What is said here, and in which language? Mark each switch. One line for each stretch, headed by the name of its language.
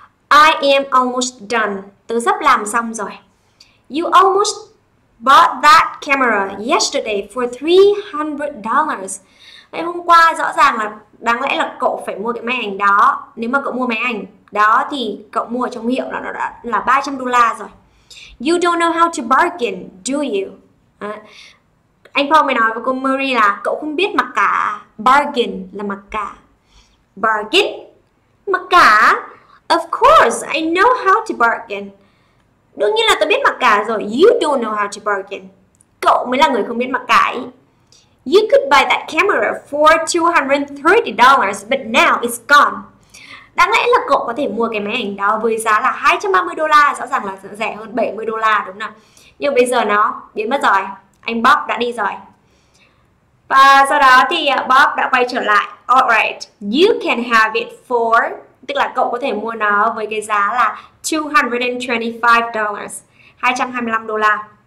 English: I am almost done.
Vietnamese: Tớ sắp làm xong rồi.
English: You almost bought that camera yesterday for $300.
Vietnamese: Vậy hôm qua rõ ràng là đáng lẽ là cậu phải mua cái máy ảnh đó. Nếu mà cậu mua máy ảnh đó thì cậu mua ở trong hiệu là nó đã là $300 rồi.
English: You don't know how to bargain, do you?
Vietnamese: Anh Paul mới nói với cô Marie là cậu không biết mặc cả. Bargain là mặc cả. Bargain Mặc cả?
English: Of course, I know how to bargain.
Vietnamese: Đương nhiên là tôi biết mặc cả rồi.
English: You don't know how to bargain.
Vietnamese: Cậu mới là người không biết mặc cả ấy.
English: You could buy that camera for $230, but now it's gone.
Vietnamese: Đáng lẽ là cậu có thể mua cái máy ảnh đó với giá là $230, rõ ràng là rẻ hơn $70, đúng không? Nhưng bây giờ nó biến mất rồi. Anh Bob đã đi rồi. Và sau đó thì Bob đã quay trở lại.
English: Alright, you can have it for,
Vietnamese: tức là cậu có thể mua nó với cái giá là $225, $225.